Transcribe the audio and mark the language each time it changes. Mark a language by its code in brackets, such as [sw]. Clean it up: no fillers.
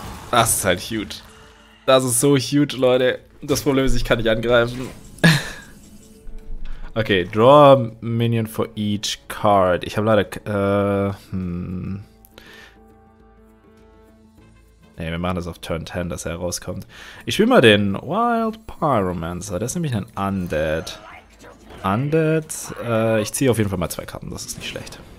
[de] Das ist halt huge. Das ist so huge, Leute. Das Problem ist, ich kann nicht angreifen. [en] Okay, draw a minion for each card. [de] Ich habe leider. Ne, wir machen das auf Turn 10, dass er rauskommt. Ich spiele mal den Wild Pyromancer. Das ist nämlich ein Undead. Undead. Ich ziehe auf jeden Fall mal zwei Karten. Das ist nicht schlecht.